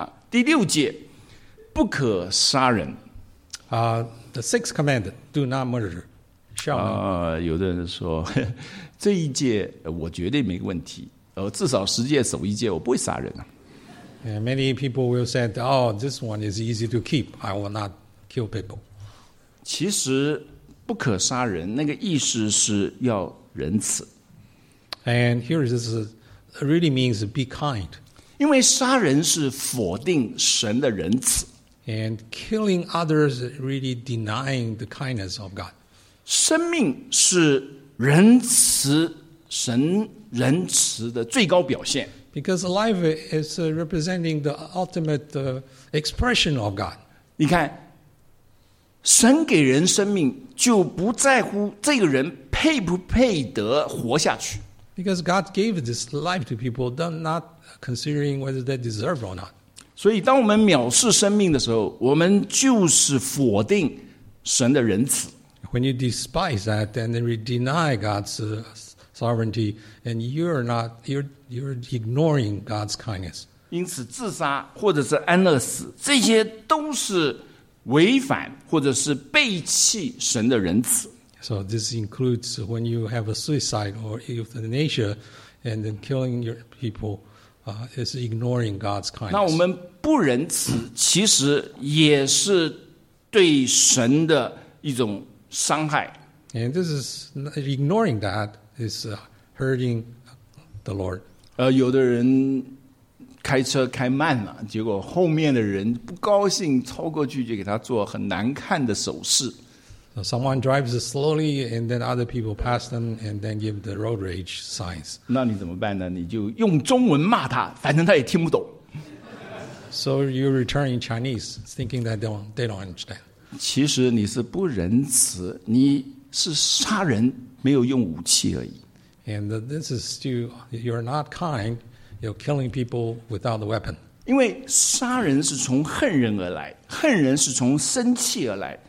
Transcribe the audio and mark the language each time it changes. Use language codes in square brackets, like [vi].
[zh] 第六节，不可杀人。 [en] The sixth command, do not murder. [zh] 有的人说这一戒我绝对没问题，至少十戒守一戒，我不会杀人。 [en] And many people will say, oh, this one is easy to keep. I will not kill people. [zh] 其实不可杀人，那个意思是要仁慈。 [en] And here is really means be kind. [zh] 因为杀人是否定神的仁慈。 [en] And killing others really denying the kindness of God. [zh] 生命是仁慈，神仁慈的最高表现。 [en] Because life is representing the ultimate expression of God. [zh] 你看，神给人生命，就不在乎这个人配不配得活下去。 [en] Because God gave this life to people, not considering whether they deserve or not. [zh] 所以，当我们藐视生命的时候，我们就是否定神的仁慈。 [en] When you despise that, then you deny God's sovereignty, and you're ignoring God's kindness. [zh] 因此，自杀或者是安乐死，这些都是违反或者是背弃神的仁慈。 [en] So this includes when you have a suicide or euthanasia, and then killing your people, is ignoring God's kindness. [zh] 那我们不仁慈，其实也是对神的一种伤害。 [en] And this is ignoring that is hurting the Lord. [zh] 有的人开车开慢了，结果后面的人不高兴，超过去就给他做很难看的手势。 [en] So someone drives slowly, and then other people pass them, and then give the road rage signs. [zh] 那你怎么办呢？你就用中文骂他，反正他也听不懂。 [en] So you return in Chinese, thinking that they don't understand. [zh] 其实你是不仁慈，你是杀人，没有用武器而已。 [en] And this is still, you're not kind, you're killing people without the weapon. [zh] 因为杀人是从恨人而来，恨人是从生气而来。